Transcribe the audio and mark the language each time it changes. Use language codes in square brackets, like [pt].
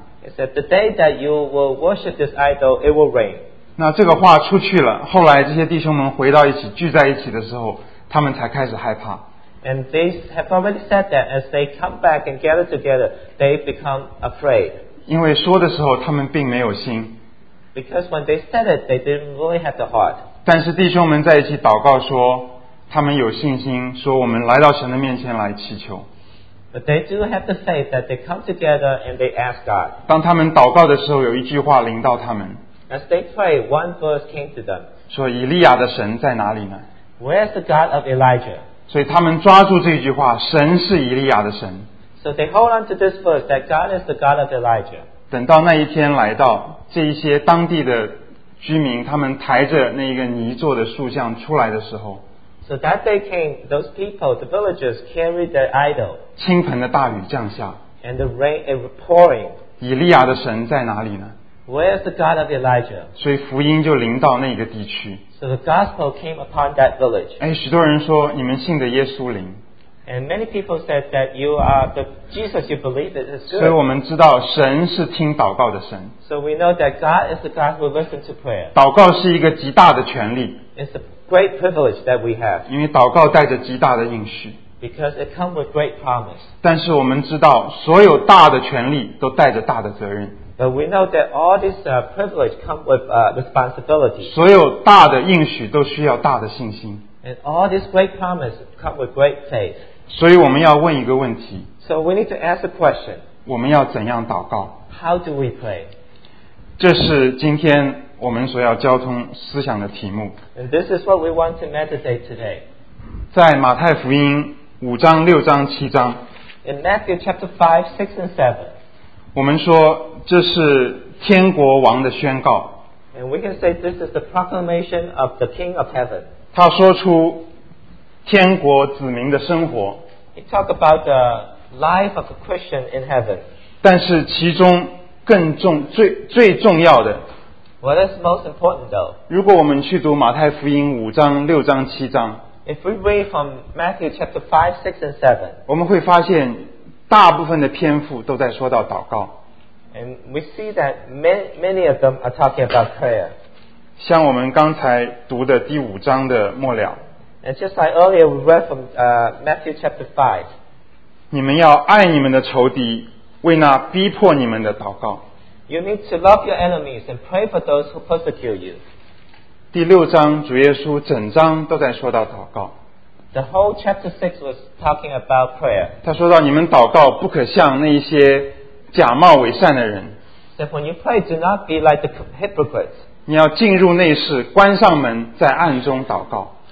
[en] It said the day that you will worship this idol, it will rain. [zh] 那这个话出去了，后来这些弟兄们回到一起聚在一起的时候，他们才开始害怕。 [en] And they have already said that as they come back and gather together, they become afraid. [zh] 因为说的时候他们并没有心。 [en] Because when they said it, they didn't really have the heart. [zh] 但是弟兄们在一起祷告说，他们有信心，说我们来到神的面前来祈求。 [en] But they do have the faith that they come together and they ask God. [zh] 当他们祷告的时候，有一句话临到他们。 [en] As they pray, one verse came to them. [zh] 说以利亚的神在哪里呢？ [en] Where is the God of Elijah? [zh] 所以他们抓住这句话，神是以利亚的神。 [en] So they hold on to this verse that God is the God of Elijah. [zh] 等到那一天来到，这一些当地的居民，他们抬着那个泥做的塑像出来的时候。 [en] So that day came, those people, the villagers carried their idol. [zh] 倾盆的大雨降下。 [en] And the rain is pouring. [zh] 以利亚的神在哪里呢？ [en] Where is the God of Elijah? [zh] 所以福音就临到那个地区。 [en] So the gospel came upon that village. [zh] 哎，许多人说你们信的耶稣灵。 [en] And many people said that you are the Jesus you believe it is good. [zh] 所以我们知道神是听祷告的神。 [en] So we know that God is the God who listens to prayer. [zh] 祷告是一个极大的权利。 [en] It's a great privilege that we have. [zh] 因为祷告带着极大的应许。 [en] Because it comes with great promise. [zh] 但是我们知道所有大的权利都带着大的责任。 [en] But we know that all this privilege come with responsibility. [zh] 所有大的应许都需要大的信心。 [en] And all this great promise come with great faith. [zh] 所以我们要问一个问题。 [en] So we need to ask a question. [zh] 我们要怎样祷告？ [en] How do we pray? [zh] 这是今天我们所要交通思想的题目。 [en] And this is what we want to meditate today. [zh] 在马太福音五章、六章、七章。 [en] In Matthew chapter 5, 6 and 7. [zh] 我们说这是天国王的宣告。 [en] And we can say this is the proclamation of the King of Heaven. [zh] 他说出天国子民的生活。 [en] He talked about the life of a Christian in heaven. [zh] 但是其中更重最重要的。 [en] What is most important though? [zh] 如果我们去读马太福音五章六章七章。 [en] If we read from Matthew chapter 5, 6 and 7. [zh] 我们会发现大部分的篇幅都在说到祷告。 [en] And we see that many of them are talking about prayer. [zh] 像我们刚才读的第五章的末了。 [en] And just like earlier we read from Matthew chapter 5. [zh] 你们要爱你们的仇敌，为那逼迫你们的祷告。 [en] You need to love your enemies and pray for those who persecute you. [zh] 第六章主耶稣整章都在说到祷告。 [en] The whole chapter 6 was talking about prayer. [zh] 他说到你们祷告不可像那一些假冒伪善的人。 [en] So when you pray, do not be like the hypocrites. [zh] 你要进入内室，关上门，在暗中祷告。